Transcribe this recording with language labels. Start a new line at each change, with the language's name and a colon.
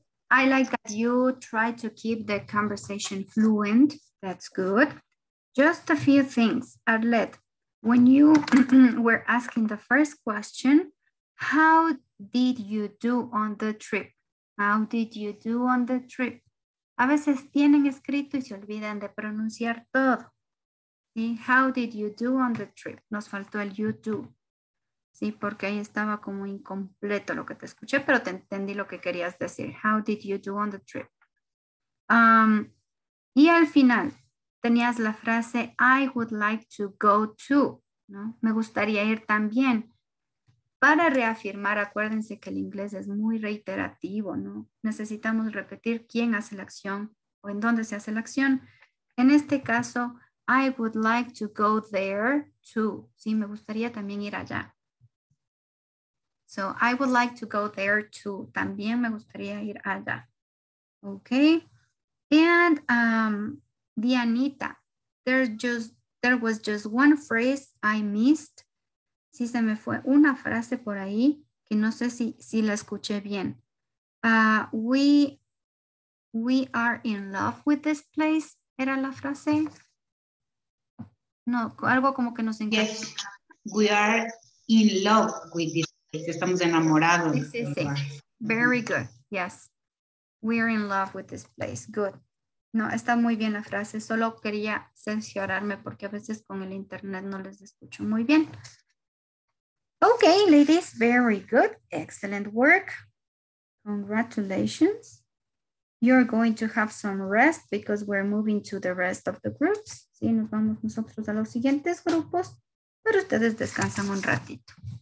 English: I like that you try to keep the conversation fluent. That's good. Just a few things, Arlette. When you were asking the first question, how did you do on the trip? How did you do on the trip?
Spanish: A veces tienen escrito y se olvidan de pronunciar todo. ¿Sí?
English: How did you do on the trip?
Spanish: Nos faltó el
English: you do.
Spanish: Sí, porque ahí estaba como incompleto lo que te escuché, pero te entendí lo que querías decir.
English: How did you do on the trip?
Spanish: Y al final tenías la frase,
English: I would like to go too,
Spanish: ¿no? Me gustaría ir también. Para reafirmar, acuérdense que el inglés es muy reiterativo, ¿no? Necesitamos repetir quién hace la acción o en dónde se hace la acción. En este caso,
English: I would like to go there too.
Spanish: Sí, me gustaría también ir allá.
English: So, I would like to go there too.
Spanish: También me gustaría ir allá. Okay.
English: And, Dianita, there was just one phrase I missed.
Spanish: Sí, se me fue una frase por ahí que no sé si la escuché bien.
English: We are in love with this place.
Spanish: ¿Era la frase? No, algo como que nos encanta.
English: Yes, we are in love with this place.
Spanish: Estamos enamorados. Sí, sí, sí.
English: Very good. Yes, we are in love with this place.
Spanish: Good. No, está muy bien la frase. Solo quería cerciorarme porque a veces con el internet no les escucho muy bien.
English: Okay, ladies, very good. Excellent work. Congratulations. You're going to have some rest because we're moving to the rest of the groups.
Spanish: Sí, nos vamos nosotros a los siguientes grupos, pero ustedes descansan un ratito.